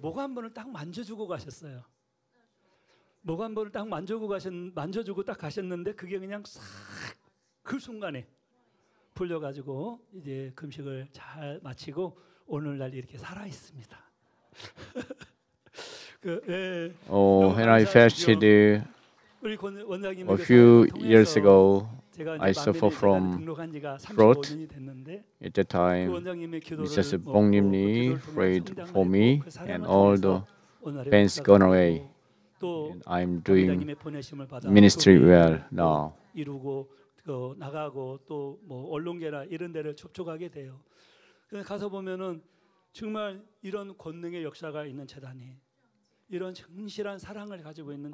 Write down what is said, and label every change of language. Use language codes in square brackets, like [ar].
[ko] 목 한 번을 딱 만져주고 가셨어요. 목 한 번을 딱 만져주고 딱 가셨는데 그게 그냥 싹 그 순간에 풀려가지고 이제 금식을 잘 마치고 오늘날 이렇게 살아 있습니다. 그, 예. [en] Oh, when I fasted a few years ago. I suffer from throat. At that time, Mrs. 봉님이 prayed for me, and all the pains gone away. And I'm doing ministry well now. [ko] 이루고 나가고 또 뭐 언론계나 이런 데를 접촉하게 돼요. 가서 보면은 정말 이런 권능의 역사가 있는 재단이 이런 진실한 사랑을 가지고 있는.